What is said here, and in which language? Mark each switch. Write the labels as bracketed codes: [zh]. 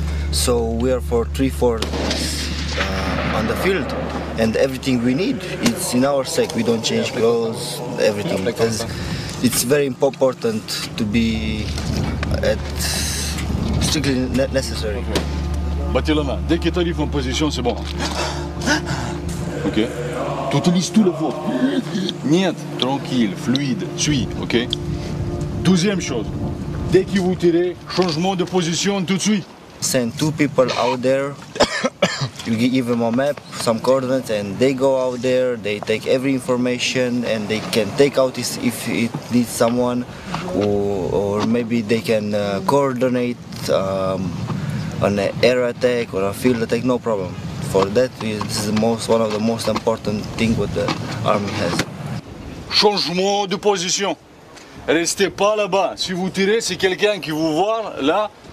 [en] So we are for 3-4 days on the field. And everything we need, it's in our sack. We don't change clothes, everything. Because it's very important to be at strictly necessary. [fr] Batelama, dès que tu arrives en position, c'est bon. OK. Tu utilises tout le vent. Niet, tranquille, fluide, suis, OK. Deuxième chose. Dès que vous tirez, changement de position tout de suite. [en] Send 2 people out there. You give them a map, some coordinates, and they go out there. They take every information, and they can take out if it needs someone, or maybe they can coordinate an air attack or a field attack. No problem. For that, this is one of the most important things what the army has. [fr] Changement de position. Restez pas là-bas. Si vous tirez, c'est quelqu'un qui vous voit là.